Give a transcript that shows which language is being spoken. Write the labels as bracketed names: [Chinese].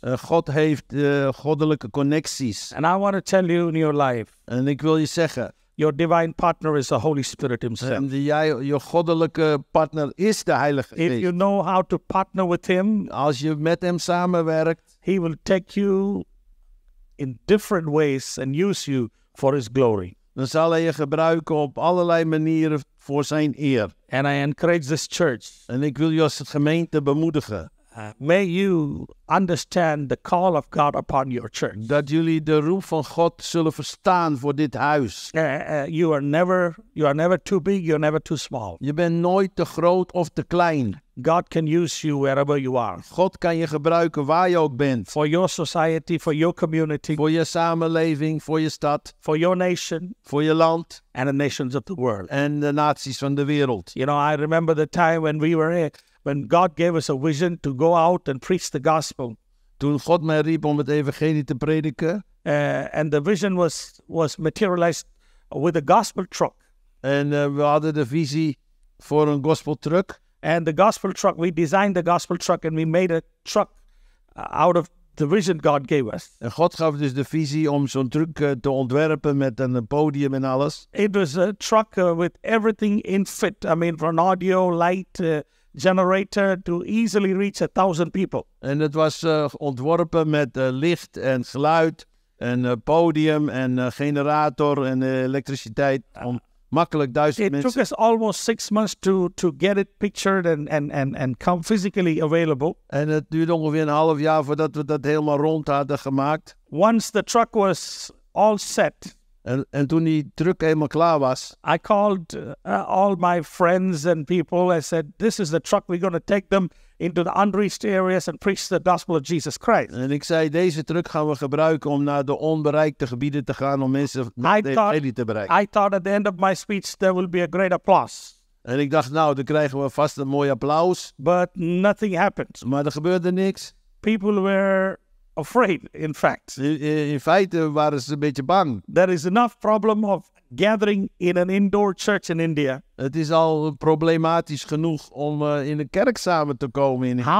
[Dutch] God heeft goddelijke connecties. [English] And I want to tell you in your life. [Dutch] En ik wil je zeggen. [English] Your divine partner is the Holy Spirit himself. [Dutch] En je goddelijke partner is de Heilige Geest. [English] If you know how to partner with him. [Dutch] Als je met hem samenwerkt. [English] He will take you in different ways and use you for his glory. [Dutch] Dan zal hij je gebruiken op allerlei manieren voor zijn eer. [English] And I encourage this church. [Dutch] En ik wil je als gemeente bemoedigen. [English] May you understand the call of God upon your church. [Dutch] Dat jullie de roep van God zullen verstaan voor dit huis. [English] You are never too big, you're never too small. [Dutch] Je bent nooit te groot of te klein. [English] God can use you wherever you are. [Dutch] God kan je gebruiken waar je ook bent. [English] For your society, for your community. [Dutch] Voor je samenleving, voor je stad. [English] For your nation. [Dutch] Voor je land. [English] And the nations of the world. [Dutch] En de naties van de wereld. [English] You know, I remember the time when we were here. when God gave us a vision to go out and preach the gospel. [Dutch] Toen God mij riep om het evangelie te prediken. [English] And the vision was materialized with a gospel truck. [Dutch] En we hadden de visie voor een gospel truck. [English] And the gospel truck, we designed the gospel truck and we made a truck out of the vision God gave us. [Dutch] En God gaf dus de visie om zo'n truck te ontwerpen met een podium en alles. [English] It was a truck with everything in fit. I mean, from audio, light, generator to easily reach 1,000 people. [Dutch] En het was ontworpen met licht en geluid en podium en generator en elektriciteit om makkelijk 1,000 mensen. [English] It took us almost 6 months to get it pictured and come physically available. [Dutch] En het duurde ongeveer een half jaar voordat we dat helemaal rond hadden gemaakt. [English] Once the truck was all set. [Dutch] En toen die truck helemaal klaar was. [English] I called all my friends and people. I said, this is the truck. We're going to take them into the unreached areas and preach the gospel of Jesus Christ. [Dutch] En ik zei, deze truck gaan we gebruiken om naar de onbereikte gebieden te gaan. Om mensen naar de evangelie te bereiken. [English] I thought at the end of my speech, there will be a great applause. [Dutch] En ik dacht, nou, dan krijgen we vast een mooi applaus. [English] But nothing happened. [Dutch] Maar er gebeurde niks. [English] People were afraid, in fact. [Dutch] In feite waren ze een beetje bang. [English] There is enough problem of gathering in an indoor church in India. [Dutch] Het is al problematisch genoeg om in een kerk samen te komen in India.